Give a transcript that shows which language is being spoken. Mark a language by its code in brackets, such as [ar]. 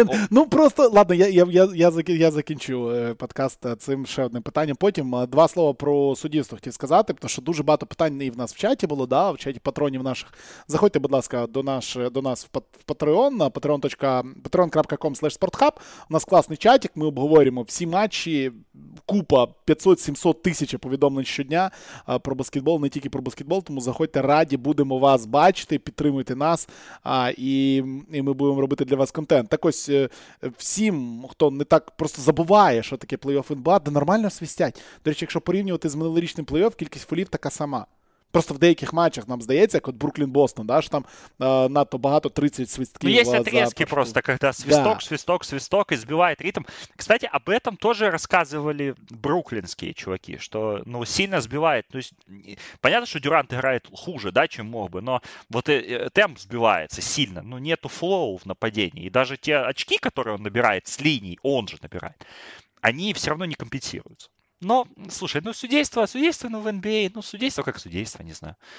[uk] Ну просто, ладно, я закінчу подкаст цим ще одним питанням. Потім два слова про суддівство хотів сказати, тому що дуже багато питань і в нас в чаті було, да, в чаті патронів наших. Заходьте, будь ласка, до нас в Patreon, на patreon.com/sporthub. У нас класний чатик, ми обговорюємо всі матчі, купа 500-700 тисяч повідомлень щодня про баскетбол, не тільки про баскетбол, тому заходьте, раді будемо вас бачити, підтримуйте нас, і ми будемо робити для вас контент. Так ось, всім, хто не так просто забуває, що таке плей-офф НБА, да нормально свистять. До речі, якщо порівнювати з минулорічним плей-офф, кількість фолів така сама. Просто в деяких матчах нам здається, як от Бруклін-Бостон, да, що там надто багато 30 свистків. Ну, є отрізки просто, коли свисток і збиває ритм. [ru] Кстати, об этом [uk] теж розказували бруклінські чуваки, що, ну, сильно збиває. То есть, понятно, що Дюрант грає хуже, да, чим мог би, но вот темп збивається сильно, ну, нету флоу в нападенні. І навіть ті очки, які він набирає з лінії, он же набирає, вони все одно не компенсуються. [ru] Но, слушай, ну судейство, ну в NBA, ну судейство как судейство, не знаю.